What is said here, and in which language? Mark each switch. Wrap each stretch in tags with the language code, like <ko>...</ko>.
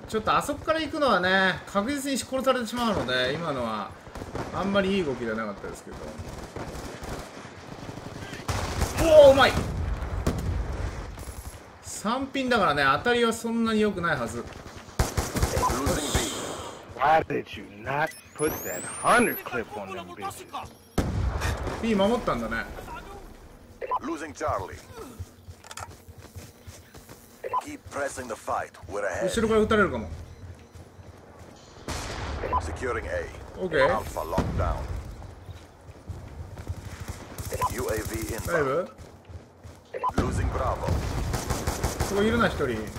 <ja>ちょっとあそこから行くのはね、確実に殺されてしまうので、今のはあんまりいい動きではなかったですけど。おお、うまい。 3ピンだからね、当たりはそんなに良くないはず。</ja> <en>Why did you not put that 100 clip on them bitches?</en> <ja>B 守ったんだね。</ja> <en>Losing Charlie. Keep pressing the fight. We're ahead.</en> <ja>後ろから撃たれるかも。</ja> <en>Securing A. OK. Alpha lockdown. UAV inbound. Losing Bravo.</en> <ja>そこいるな、一人。</ja>